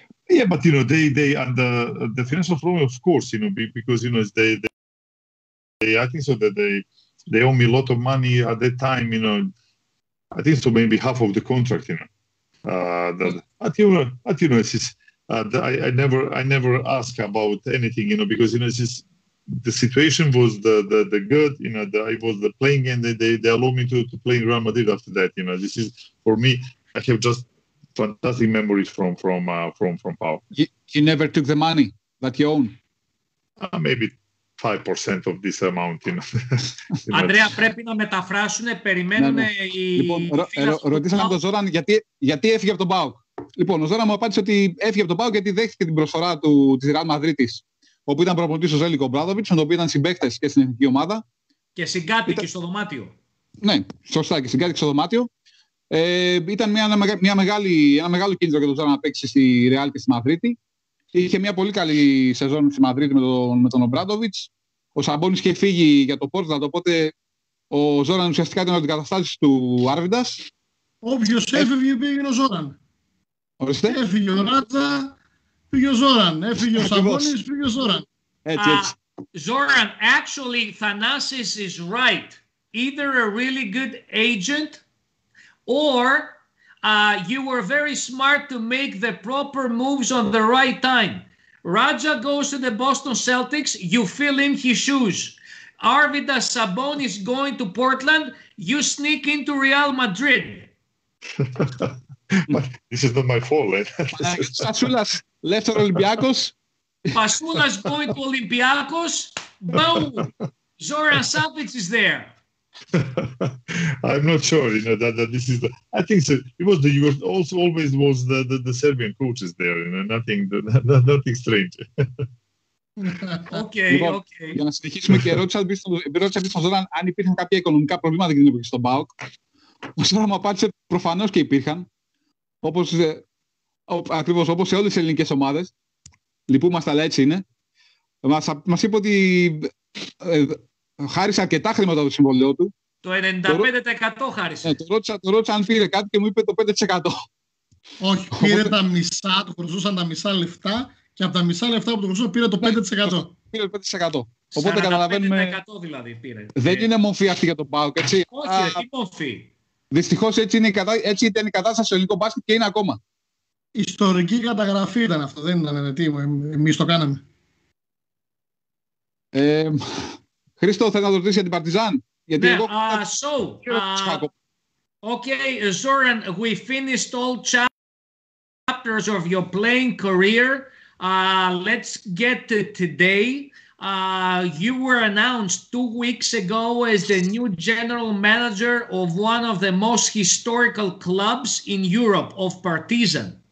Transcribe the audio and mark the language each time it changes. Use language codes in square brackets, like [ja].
[en] Yeah, but you know they and the financial problem, of course, you know, because you know they I think so that they owe me a lot of money at that time, you know, I think so maybe half of the contract, you know, but you know it's just, I never ask about anything, you know, because you know it's just, the situation was the good, you know, I was the playing, and they allowed me to play in Real Madrid after that, you know. This is for me, I have just fantastic memories from PAOK. You never took the money that you own. Maybe 5% of this amount. You know. [el] Andrea, πρέπει να μεταφράσουν. Περιμένουν οι. Λοιπόν, ρωτήσαμε τον Ζόραν γιατί έφυγε από τον PAOK. Λοιπόν, ο Ζόραν μου απάντησε ότι έφυγε από τον PAOK γιατί δέχτηκε την προσφορά της Real Madrid, όπου ήταν προπονητής ο Ζέλικο Μπράδοβιτς, τον οποίο ήταν συμπαίκτες και στην εθνική ομάδα. Και συγκάτοικοι στο δωμάτιο. Ναι, σωστά, και συγκάτοικοι στο δωμάτιο. Ήταν ένα μεγάλο κίνητρο για τον Ζόραν να παίξει στη Ρεάλ και στη Μαδρίτη. Είχε μια πολύ καλή σεζόν στη Μαδρίτη με τον Ομπράντοβιτς. Ο Σαμπόνης είχε φύγει για το Πόρτλαντ, οπότε ο Ζόραν ουσιαστικά ήταν ο αντικαταστάτης του Άρβιντας. Όποιος έφυγε, πήγε ο Ζόραν. Ορίστε. Έφυγε ο Ράτσα, πήγε ο Ζόραν. Έφυγε ο Σαμπόνης, πήγε ο Ζόραν. Έτσι. [en] Ζόραν, actually, Thanasis is right. Either a really good agent, or you were very smart to make the proper moves on the right time. Raja goes to the Boston Celtics, you fill in his shoes. Arvidas Sabonis is going to Portland, you sneak into Real Madrid. But this is not my fault. Eh? Pasulas left for Olympiacos. Pasulas going to Olympiacos. Boom! Zoran Savic is there. I'm not sure, you know, that this is. I think so. It was also always was the Serbian coaches there, you know, nothing strange. Okay, [el] λοιπόν, [en] okay. [el] Για να συνεχίσουμε, και ρώτησα πριν στον Ζόραν αν υπήρχαν κάποια οικονομικά προβλήματα για την εποχή στον ΠΑΟΚ. Ο Ζόραν μου απάντησε προφανώς και υπήρχαν. Ακριβώς όπως σε όλες τις ελληνικές ομάδες. Λυπούμαστε, αλλά έτσι είναι. Μας είπε ότι χάρισε αρκετά χρήματα από το συμβόλαιό του. Το 95% χάρισε. Ναι, το ρώτησα αν πήρε κάτι και μου είπε το 5%. Όχι, πήρε τα μισά, του χρωστούσαν τα μισά λεφτά, και από τα μισά λεφτά που του χρωστούσαν πήρε το 5%. Πήρε το 5%. Οπότε καταλαβαίνουμε. 5% δηλαδή πήρε. Δεν είναι μορφή αυτή για τον ΠΑΟΚ, έτσι. Όχι, τι μορφή. Δυστυχώς έτσι ήταν η κατάσταση στο ελληνικό μπάσκετ και είναι ακόμα. Ιστορική καταγραφή ήταν αυτό. Δεν ήταν τι εμείς το κάναμε. Χρήστο, θέλω να το ρωτήσω για την Παρτιζάν. Γιατί [en] yeah, [el] εγώ... [en] So, okay, Zoran, we finished all chapters of your playing career. Let's get to today. You were announced 2 weeks ago as the new general manager of one of the most historical clubs in Europe, of Partizan.